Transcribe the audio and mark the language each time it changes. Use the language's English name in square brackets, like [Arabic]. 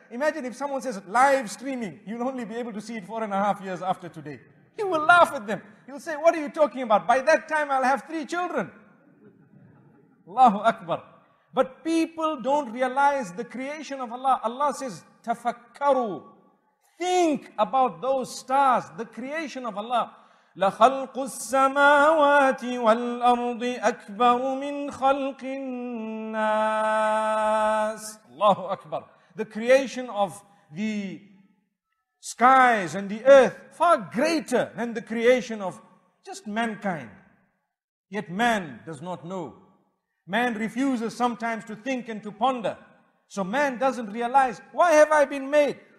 [English] Imagine if someone says live streaming, you'll only be able to see it 4.5 years after today. You will laugh at them. You'll say, what are you talking about? By that time, I'll have 3 children. Allahu Akbar. But people don't realize the creation of Allah. Allah says, tafakkaru. Think about those stars, the creation of Allah. [Arabic] لَخَلْقُ السَّمَاوَاتِ وَالْأَرْضِ أَكْبَرُ مِنْ خَلْقِ النَّاسِ Allahu Akbar. [English] The creation of the skies and the earth, far greater than the creation of just mankind. Yet man does not know. Man refuses sometimes to think and to ponder. So man doesn't realize, why have I been made?